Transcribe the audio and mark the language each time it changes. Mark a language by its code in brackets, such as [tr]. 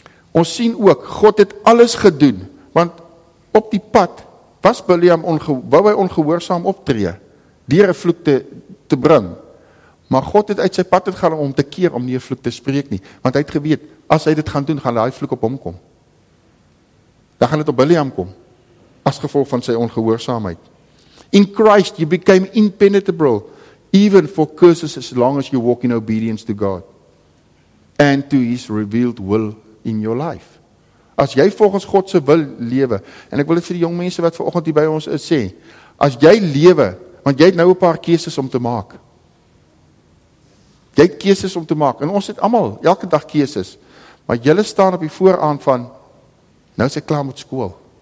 [af] Ons sien ook, God het alles gedoen, want op die pad was Biljam ongehoorsaam optree, deur 'n vloek te bring. Maar God het uit sy pad uitgegaan om te keer om nie 'n vloek te spreek nie, want hy het geweet, as hy dit gaan doen, gaan daai vloek op hom kom. Dan gaan dit op Biljam kom. As gevolg van sy ongehoorsaamheid. [en] In Christ you became impenetrable even for curses as long as you walk in obedience to God and to his revealed will in your life. [af] As jy volgens God se wil lewe, en ek wil dit vir die jong mense wat vanoggend hier by ons is sê, as jy lewe, want jy het nou 'n paar keuses om te maak. Jy het keuses om te maak en ons het almal elke dag keuses. Maar jy staan op die vooraan van nou is ek klaar met skool.